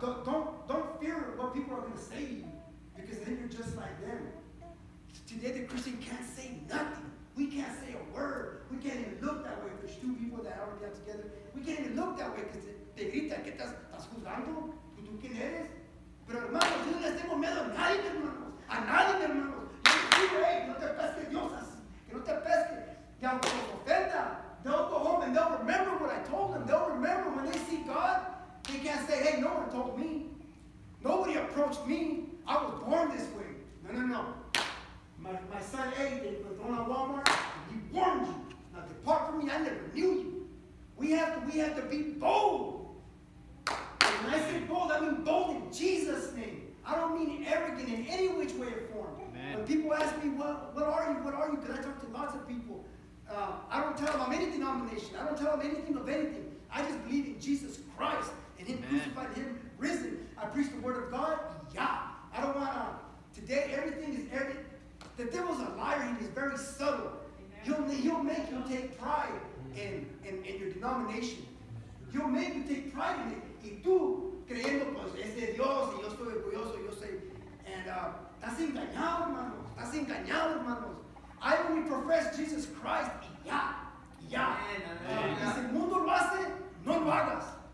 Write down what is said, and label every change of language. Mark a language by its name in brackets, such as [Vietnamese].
[English] Don't fear what people are gonna say to you. Because then you're just like them. Today the Christian can't say nothing. We can't say a word. We can't even look that way. If there's two people that already got together, we can't even look that way because [Spanish] te grita, ¿qué estás juzgando? ¿Tú quién eres? Pero hermanos, yo no les tengo miedo a nadie, hermanos. A nadie, hermanos. Yo soy rey, no te pesque Dios así. Que no te pesque. Y aunque los ofenda, [English] they'll go home and they'll remember what I told them. They'll remember when they see God, they can't say, hey, no one told me. Nobody approached me. I was born this way. No. My son, Eddie, was born at Walmart, and he warned you. Now depart from me, I never knew you. We have to be bold. And when I say bold, I mean bold in Jesus' name. I don't mean arrogant in any which way or form. Amen. When people ask me, what are you? Because I talk to lots of people. I don't tell them I'm any denomination. I don't tell them anything of anything. I just believe in Jesus Christ and him crucified, him risen. I preach the word of God, yeah. I don't want to. Today, everything is every. The devil's a liar. He's very subtle. He'll make you take pride in your denomination. He'll make you take pride in it. [Spanish] Y tú creyendo pues es de Dios y yo estoy orgulloso. Yo soy. [English] And [Spanish] estás engañado, hermanos. Estás engañado, hermanos. [English] I only profess Jesus Christ. [Spanish] Y ya, ya. Si el mundo lo hace, no lo hagas.